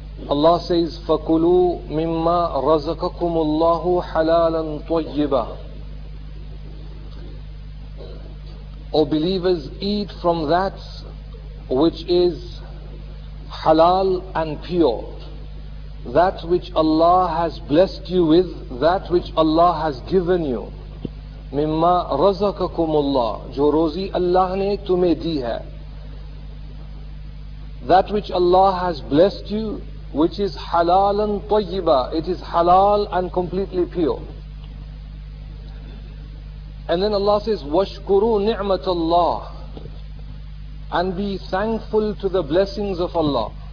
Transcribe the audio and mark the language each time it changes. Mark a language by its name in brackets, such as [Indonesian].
[English] Allah says, [Arabic] فَكُلُوا مِمَّا رَزَقَكُمُ اللَّهُ حَلَالًا طَيِّبًا. [English] O believers, eat from that which is halal and pure, that which Allah has blessed you with, that which Allah has given you. [Arabic] مِمَّا رَزَقَكُمُ اللَّهُ, [Urdu] جو روزی اللہ نے تمہیں دی ہے. [English] That which Allah has blessed you, which is halalan tayyiba, it is halal and completely pure. And then Allah says, [Arabic] وَشْكُرُوا نِعْمَةَ اللَّهُ, [English] and be thankful to the blessings of Allah.